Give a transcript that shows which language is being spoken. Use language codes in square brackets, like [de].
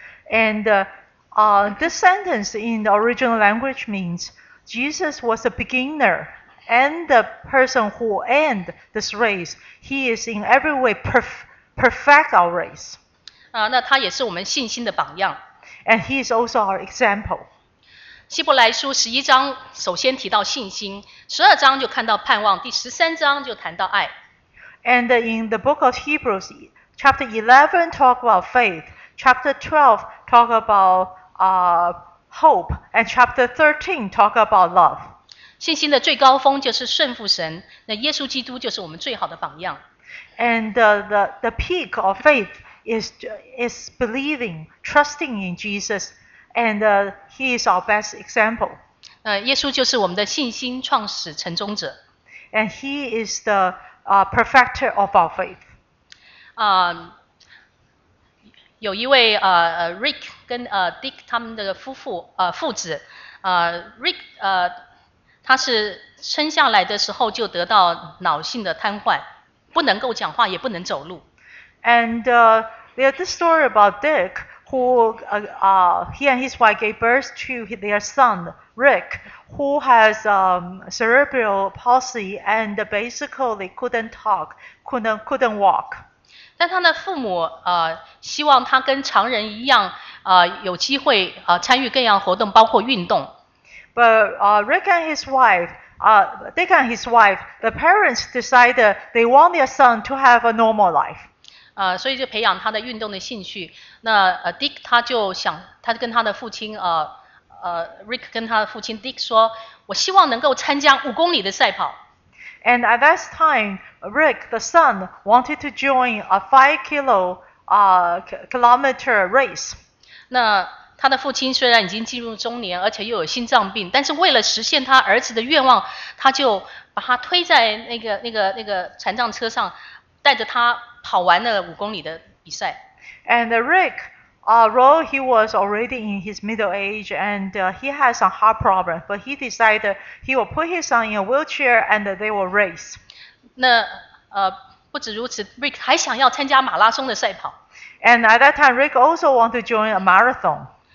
[en] And this sentence in the original language means Jesus was a beginner. And the person who end this race, he is in every way perfect our race. [zh] 那他也是我们信心的榜样。 [en] And he is also our example. [zh] 希伯来书十一章首先提到信心，十二章就看到盼望，第十三章就谈到爱。 [en] And in the book of Hebrews, chapter 11 talk about faith, chapter 12 talk about hope, and chapter 13 talk about love. [zh] 信心的最高峰就是顺服神，那耶稣基督就是我们最好的榜样。 [en] And the peak of faith is believing, trusting in Jesus, and he is our best example. [zh] 耶稣就是我们的信心创始成终者。 [en] And he is the perfecter of our faith. [zh] 有一位Rick 跟Dick 他们的夫妇父子Rick 他是生下来的时候就得到脑性的瘫痪，不能够讲话，也不能走路。 [en] And there's this story about Dick, who he and his wife gave birth to their son Rick, who has cerebral palsy and basically couldn't talk, couldn't walk. [zh] 但他的父母希望他跟常人一样有机会参与各样活动，包括运动。 [en] But Rick and his wife, Dick and his wife, the parents decided they want their son to have a normal life. [zh] 所以就培养他的运动的兴趣。那Dick 他就想，他跟他的父亲Rick 跟他的父亲 Dick 说，我希望能够参加五公里的赛跑。 [en] And at that time, Rick, the son, wanted to join a 5 kilo kilometer race. [zh] 那他的父亲虽然已经进入中年，而且又有心脏病，但是为了实现他儿子的愿望，他就把他推在那个残障车上，带着他跑完了五公里的比赛。 [en] And Rick, although he was already in his middle age and he had some heart problem, but he decided he will put his son in a wheelchair and they will race. [zh] 那不止如此 ，Rick 还想要参加马拉松的赛跑。 [en] And at that time, Rick also wanted to join a marathon.